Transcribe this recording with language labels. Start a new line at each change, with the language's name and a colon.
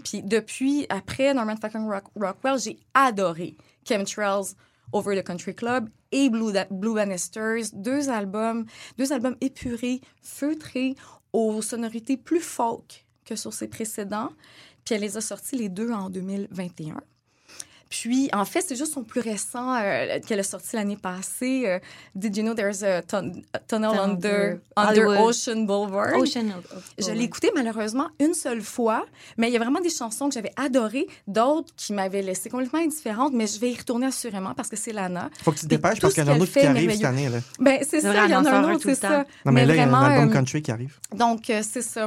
French: Puis depuis, après Norman Fucking Rockwell, j'ai adoré Chemtrails Over the Country Club et Blue Bannisters, deux albums épurés, feutrés, aux sonorités plus folk que sur ses précédents. Puis elle les a sortis les deux en 2021. Puis, en fait, c'est juste son plus récent qu'elle a sorti l'année passée.
English: Did you know there's a tunnel under Ocean Boulevard?
French: Je l'ai écouté malheureusement une seule fois, mais il y a vraiment des chansons que j'avais adorées, d'autres qui m'avaient laissé complètement indifférente, mais je vais y retourner assurément parce que c'est Lana. Faut que tu te dépêches parce qu'il y en a un autre qui arrive cette année. Ben, c'est ça, il y en a un autre, c'est ça. Non, mais là, vraiment, il y a un album country qui arrive. Donc, c'est ça.